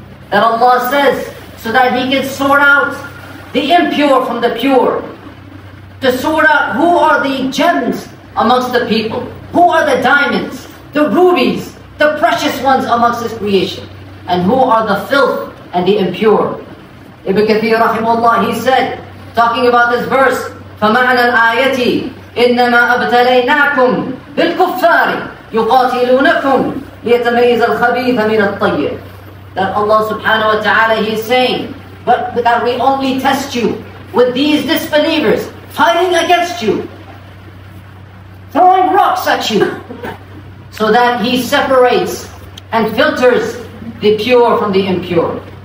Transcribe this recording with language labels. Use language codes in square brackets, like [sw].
[en] That Allah says, so that He can sort out the impure from the pure, to sort out who are the gems amongst the people, who are the diamonds, the rubies, the precious ones amongst His creation, and who are the filth and the impure. Ibn Kathir rahimahullah, he said, talking about this verse, [ar] فَمَعْنَى الْآيَةِ إِنَّمَا أَبْتَلَيْنَاكُمْ بِالْكُفَّارِ يُقَاتِلُونَكُمْ لِيَتَمَيِّزَ الْخَبِيثَ مِنَ الطَّيِّرِ. [en] That Allah subhanahu wa ta'ala, He is saying, but that we only test you with these disbelievers fighting against you, throwing rocks at you, so that He separates and filters the pure from the impure.